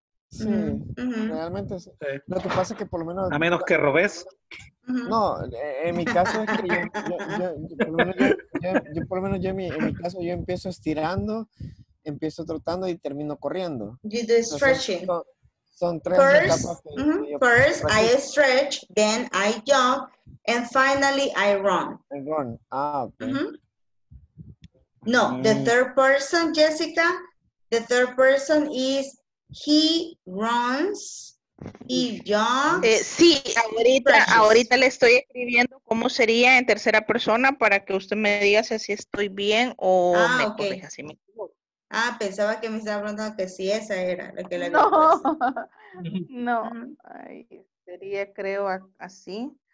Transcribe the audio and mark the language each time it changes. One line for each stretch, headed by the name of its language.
Spanish: Sí, realmente sí. Lo que pasa es que por lo menos... A menos que robes. No, en mi caso es que yo empiezo estirando, empiezo trotando y termino corriendo.
English: You do stretching.
Spanish: Entonces, son tres etapas. First, practico.
English: I stretch, then I jump, and finally I run. I run, ok. No, the third person, Jessica, the third person is he runs, he jumps.
Spanish: Sí, ahorita le estoy escribiendo cómo sería en tercera persona para que usted me diga si así estoy bien o me corrija si me equivoco. Ah, pensaba que me estaba preguntando que sí, esa era la que le había puesto. No, ay, sería creo así.